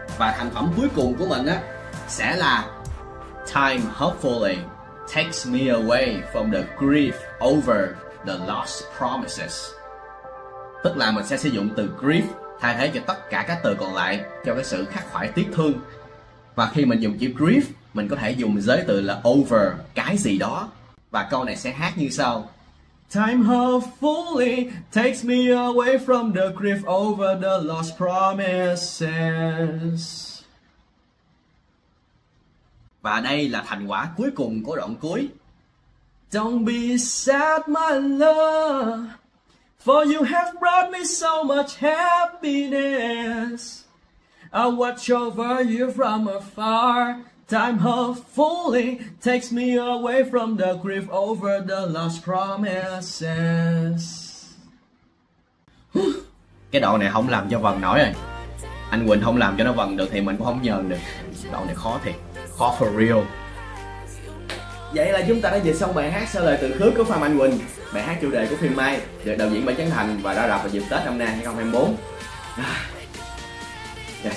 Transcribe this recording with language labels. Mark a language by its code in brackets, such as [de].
[vi] Và thành phẩm cuối cùng của mình á sẽ là [en] time hopefully takes me away from the grief over the lost promises. [vi] Tức là mình sẽ sử dụng từ grief thay thế cho tất cả các từ còn lại cho cái sự khắc khoải tiếc thương. Và khi mình dùng chữ grief, mình có thể dùng giới từ là over cái gì đó. Và câu này sẽ hát như sau. [en] Time hopefully takes me away from the grief over the lost promises. [vi] Và đây là thành quả cuối cùng của đoạn cuối. [en] Don't be sad my love, for you have brought me so much happiness. I watch over you from afar. Time hopefully takes me away from the grief over the lost promises. [vi] Cái đoạn này không làm cho vần nổi rồi. Anh Quỳnh không làm cho nó vần được thì mình cũng không nhờn được. Đoạn này khó thiệt. Khó [en] for real. [vi] Vậy là chúng ta đã dịch xong bài hát sau lời từ khước của Phan Mạnh Quỳnh, bài hát chủ đề của phim Mai, được đạo diễn Bảy Trấn Thành và ra rạp vào dịp Tết năm nay 2024.